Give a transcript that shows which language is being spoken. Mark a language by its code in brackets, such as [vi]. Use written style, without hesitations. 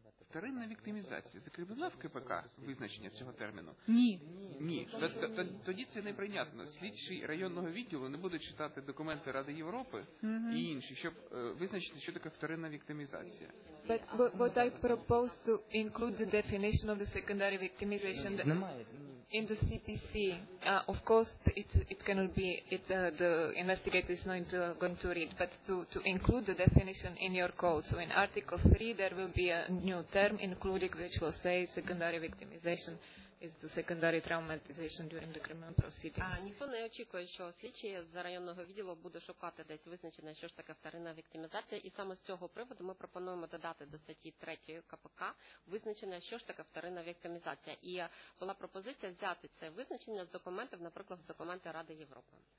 [uk] Вторинна віктимізація. Закріплена в КПК визначення цього терміну? Ні. Ні. Тоді це неприйнятно. Слідчий районного відділу не буде читати документи Ради Європи і інші, щоб визначити, що таке вторинна віктимізація. [en] But I propose to include the definition of the secondary victimization. [uk] Немає. [en] In the CPC, of course, it cannot be, the investigator is not going to read, but to include the definition in your code. So in Article 3, there will be a new term included, which will say secondary victimization is the secondary traumatization during the criminal proceedings. [uk] Ніхто не очікує, що слідчий з районного відділу буде шукати десь визначення, що ж таке вторинна віктимізація. І саме з цього приводу ми пропонуємо додати до статті 3 КПК визначення, що ж таке вторинна віктимізація. І була пропозиція взяти це визначення з документів, наприклад, з документів Ради Європи.